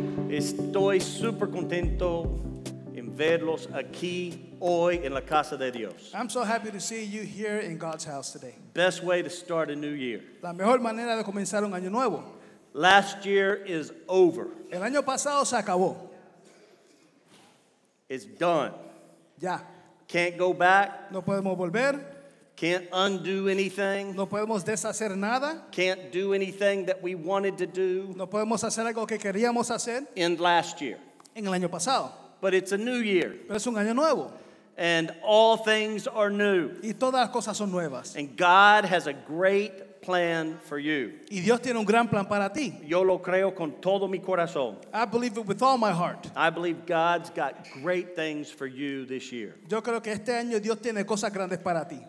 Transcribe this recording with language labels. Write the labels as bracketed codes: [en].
[es] Estoy super contento en verlos aquí hoy en la casa de Dios. [en] I'm so happy to see you here in God's house today. Best way to start a new year. [es] La mejor manera de comenzar un año nuevo. [en] Last year is over. [es] El año pasado se acabó. [en] It's done. [es] Ya. [en] Can't go back. [es] No podemos volver. [en] Can't undo anything. [es] No podemos deshacer nada. [en] Can't do anything that we wanted to do. [es] No podemos hacer algo que queríamos hacer. [en] In last year. [es] En el año pasado. [en] But it's a new year. [es] Pero es un año nuevo. [en] And all things are new. [es] Y todas las cosas son nuevas. [en] And God has a great plan for you. [es] Y Dios tiene un gran plan para ti. Yo lo creo con todo mi corazón. [en] I believe it with all my heart. I believe God's got great things for you this year. [es] Yo creo que este año Dios tiene cosas grandes para ti.